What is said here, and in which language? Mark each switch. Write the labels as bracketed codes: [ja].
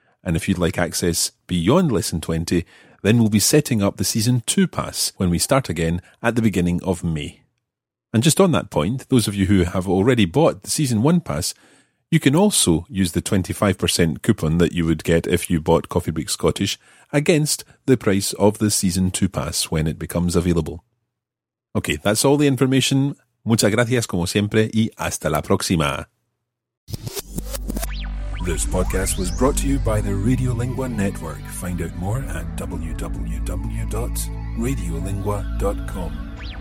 [en] And if you'd like access beyond Lesson 20, then we'll be setting up the Season 2 pass when we start again at the beginning of May. And just on that point, those of you who have already bought the Season 1 pass, you can also use the 25% coupon that you would get if you bought Coffee Break Scottish against the price of the Season 2 pass when it becomes available. Okay, that's all the information. [es] Muchas gracias como siempre y hasta la próxima. [en] This podcast was brought to you by the Radiolingua Network. Find out more at www.radiolingua.com.